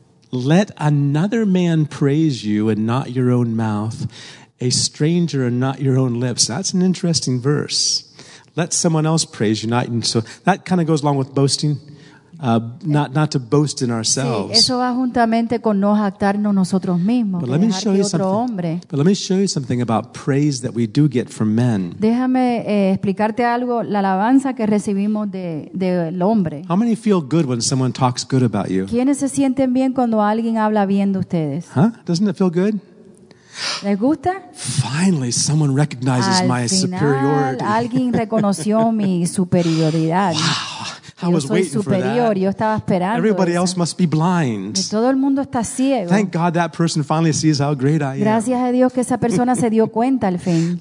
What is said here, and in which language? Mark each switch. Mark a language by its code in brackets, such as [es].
[en] Let another man praise you and not your own mouth, a stranger and not your own lips. That's an interesting verse. Let someone else praise you, not, and so that kind of goes along with boasting, not to boast in ourselves. [es] Sí, eso va juntamente con no jactarnos nosotros mismos, [en] but let me show you something. But let me show you something about praise that we do get from men. [es] Déjame explicarte algo, la alabanza que recibimos del hombre. [en] How many feel good when someone talks good about you? [es] ¿Quiénes se sienten bien cuando alguien habla bien de ustedes? [en] Huh? Doesn't it feel good? [es] ¿Les gusta? [en] Finally, someone recognizes my superiority. [es] Alguien reconoció mi superioridad. [en] Wow, I was waiting [es] superior. [en] For that. [es] Yo estaba [en] everybody [es] eso. [en] Else must be blind. [es] Y todo el mundo está ciego. [en] Thank God that person finally sees how great I am. [es] Gracias a Dios que esa persona se dio cuenta al fin.